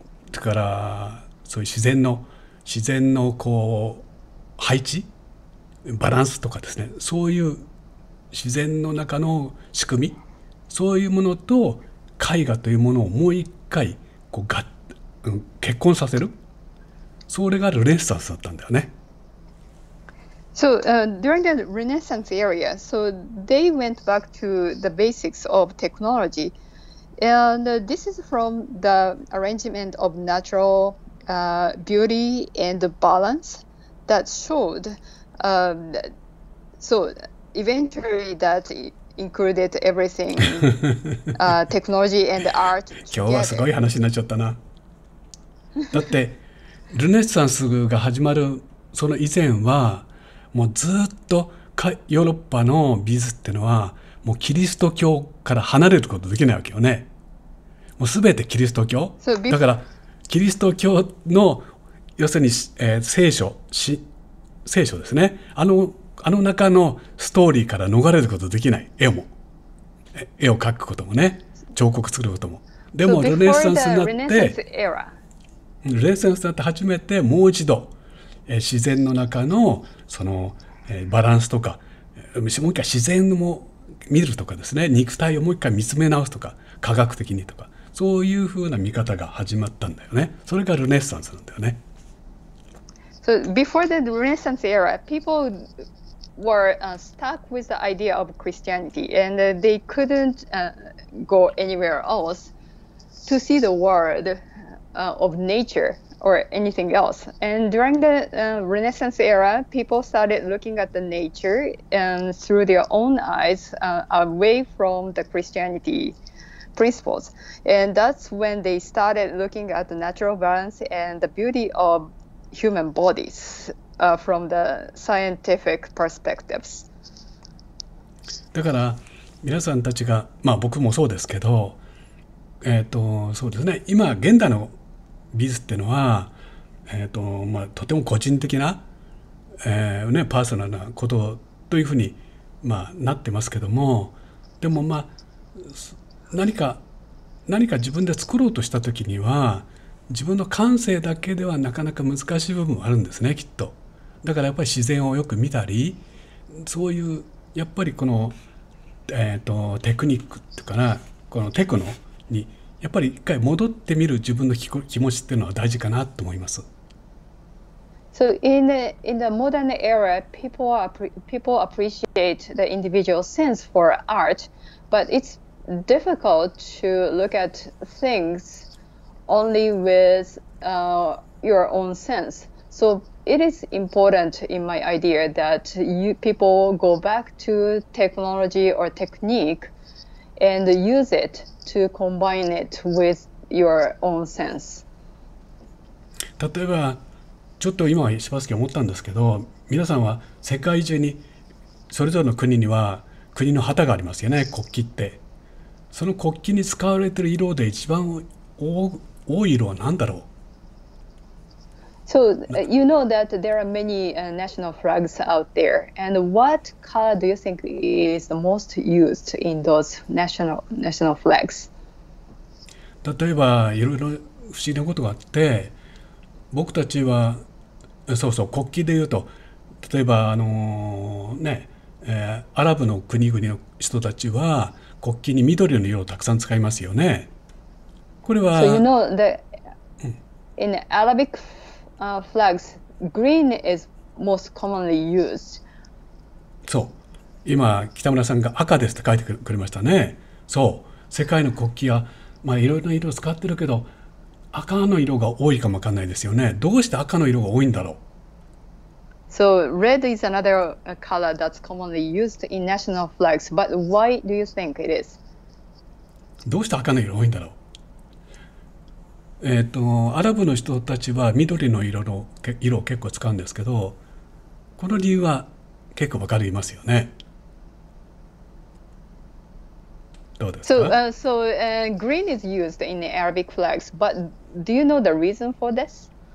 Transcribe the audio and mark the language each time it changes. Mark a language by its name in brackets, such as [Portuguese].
[Japanese] だからそういう自然のこう配置。バランスとかですね、そういう自然の中の仕組み、そういうものと絵画というものをもう一回こう結婚させる、それがルネッサンスだったんだよね。 [English] So, during the Renaissance era, so they went back to the basics of technology. And this is from the arrangement of natural beauty and balance that showedso eventually that included everything, technology and art. [Japanese] 今日はすごい話になっちゃったな。だってルネッサンスが始まるその以前はもうずっとヨーロッパの美術ってのはもうキリスト教から離れることできないわけよね。もうすべてキリスト教。 [English] So、 [Japanese] だからキリスト教の要するに、聖書し聖書ですね、あの中のストーリーから逃れることできない。絵を描くこともね、彫刻作ることも。でも、 [English] so、 [Japanese] ルネッサンスになってルネッサンスになって初めてもう一度自然の中のそのバランスとか、もう一回自然も見るとかですね、肉体をもう一回見つめ直すとか、科学的にとか、そういうふうな見方が始まったんだよね。それがルネッサンスなんだよね。 [English] So before the Renaissance era, people were stuck with the idea of Christianity, and they couldn't go anywhere else to see the world of nature or anything else. And during the Renaissance era, people started looking at the nature and through their own eyes away from the Christianity principles. And that's when they started looking at the natural balance and the beauty ofhuman bodies from the scientific perspectives. [Japanese] だから皆さんたちが、まあ僕もそうですけど、そうですね、今現代の技術っていうのは、まあ、とても個人的な、パーソナルなことというふうに、まあ、なってますけども、でもまあ何か自分で作ろうとした時には自分の感性だけではなかなか難しい部分もあるんですね、きっと。だからやっぱり自然をよく見たり、そういうやっぱりこの、テクニックっていうかな、このテクノにやっぱり一回戻ってみる自分の気持ちっていうのは大事かなと思います。 [English] So in the modern era, people appreciate the individual sense for art, but it's difficult to look at things only with your own sense. So it is important in my idea that people go back to technology or technique and use it to combine it with your own sense. [Japanese] 例えばちょっと今は柴崎思ったんですけど、皆さんは世界中にそれぞれの国には国の旗がありますよね、国旗って。その国旗に使われている色で一番多い色は何だろ [English] So, you know that there are many national flags out there. And what color do you think is the most used in those national flags? [Japanese] 例えばいろいろ不思議なことがあって、僕たちは、そうそう、国旗で言うと、例えば、アラブの国々の人たちは国旗に緑の色をたくさん使いますよね。これ [English] So, you [Japanese] は、 [English] know that in Arabic flags, green is most commonly used. [Japanese] そう、今北村さんが赤ですって書いてくれましたね。そう、世界の国旗は、まあ、いろいろな色を使ってるけど赤の色が多いかもわかんないですよね。どうして赤の色が多いんだろう。 [English] So, red is another color that's commonly used in national flags, but why do you think it is? [Japanese] どうして赤の色が多いんだろう。アラブの人たちは緑の色を結構使うんですけど、この理由は結構わかりますよね。どうですか。 [English] So, green is used in the Arabic flags, but do you know the reason for this?